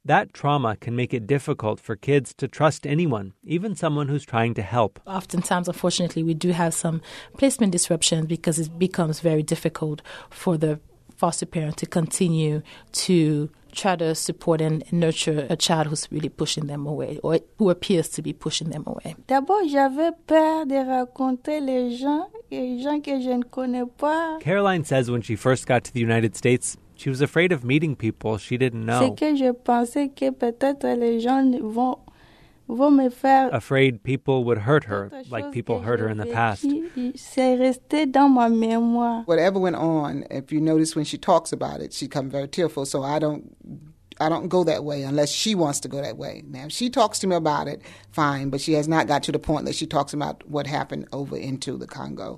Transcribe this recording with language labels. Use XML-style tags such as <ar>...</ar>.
<en>That trauma can make it difficult for kids to trust anyone, even someone who's trying to help. Oftentimes, unfortunately, we do have some placement disruptions because it becomes very difficult for the foster parent to continue to try to support and nurture a child who's really pushing them away or who appears to be pushing them away.</en> <fr>D'abord, j'avais peur de raconter les gens que je ne connais pas.</fr> <en>Caroline says when she first got to the United States, she was afraid of meeting people she didn't know.</en> <fr>C'est que je pensais que peut-être les gens vont...</fr> <en>Afraid people would hurt her, like people hurt her in the past.</en> <fr>C'est resté dans ma mémoire.</fr> <en>Whatever went on, if you notice when she talks about it, she comes very tearful, so I don't go that way unless she wants to go that way. Now, if she talks to me about it, fine, but she has not got to the point that she talks about what happened over into the Congo.</en>